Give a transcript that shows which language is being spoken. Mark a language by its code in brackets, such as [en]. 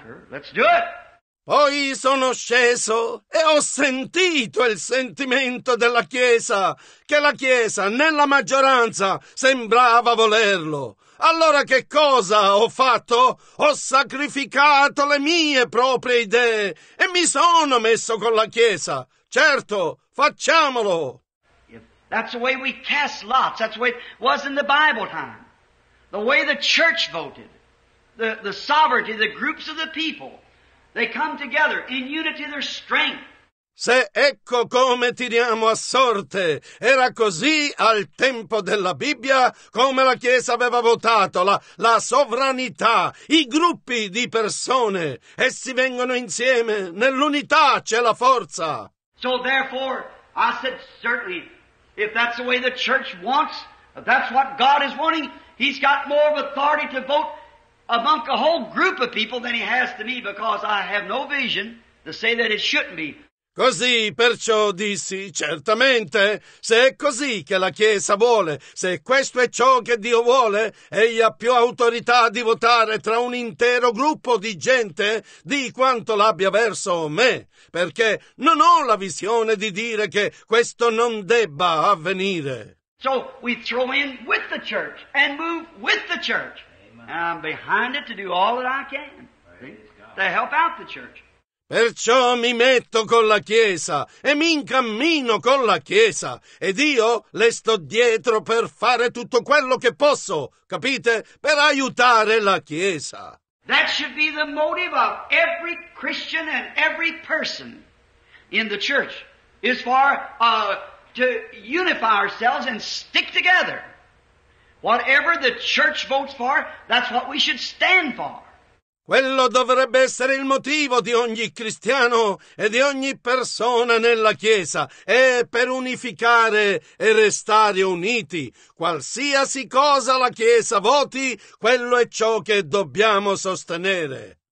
[en] Let's do it. [it] Poi sono sceso e ho sentito il sentimento della Chiesa, che la Chiesa nella maggioranza sembrava volerlo. Allora che cosa ho fatto? Ho sacrificato le mie proprie idee e mi sono messo con la Chiesa. Certo, facciamolo. [en] That's the way we cast lots. That's the way it was in the Bible time. The way the church voted. The sovereignty, the groups of the people, they come together in unity their strength. [it] Se ecco come tiriamo a sorte, era così al tempo della Bibbia, come la Chiesa aveva votato la sovranità, i gruppi di persone, essi vengono insieme, nell'unità c'è la forza. [en] So therefore, I said certainly, if that's the way the church wants, if that's what God is wanting, He's got more of authority to vote among a whole group of people than he has to me, because I have no vision to say that it shouldn't be. [it] Così, perciò dissi, certamente, se è così che la Chiesa vuole, se questo è ciò che Dio vuole, egli ha più autorità di votare tra un intero gruppo di gente di quanto l'abbia verso me, perché non ho la visione di dire che questo non debba avvenire. [en] So we throw in with the church and move with the church. And I'm behind it to do all that I can, see, to help out the church. [it] Perciò mi metto con la Chiesa e mi incammino con la Chiesa, ed io le sto dietro per fare tutto quello che posso, capite? Per aiutare la Chiesa. [en] That should be the motive of every Christian and every person in the church, is for to unify ourselves and stick together. Whatever the church votes for, that's what we should stand for. [it] Quello dovrebbe essere il motivo di ogni cristiano e di ogni persona nella Chiesa, è per unificare e restare uniti. Qualsiasi cosa la Chiesa voti, quello è ciò che dobbiamo sostenere.